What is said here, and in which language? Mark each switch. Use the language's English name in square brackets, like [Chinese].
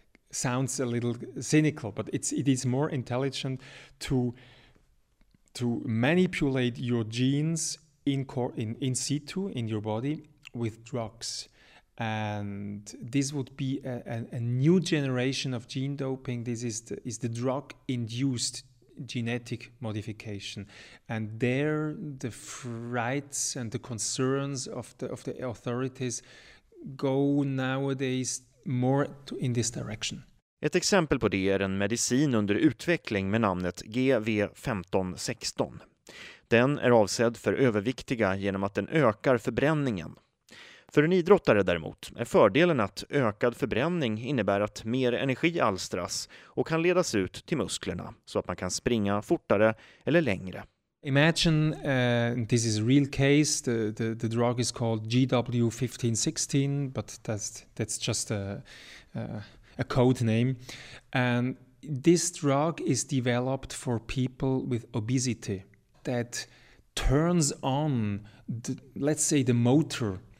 [English] Sounds a little cynical, but it is more intelligent to manipulate your genes in situ in your body with drugs, and this would be a new generation of gene doping. This is the drug induced genetic modification, and there the frights and the concerns of the authorities go nowadays more in this direction. [Swedish] Ett exempel på det är en medicin under utveckling med namnet GV1516. Den är avsedd för överviktiga genom att den ökar förbränningen. För en idrottare däremot är fördelen att ökad förbränning innebär att mer energi alstras och kan ledas ut till musklerna så att man kan springa fortare eller längre. [English] Imagine this is a real case. The drug is called GW1516, but that's just a code name. And this drug is developed for people with obesity that turns on, let's say, the motor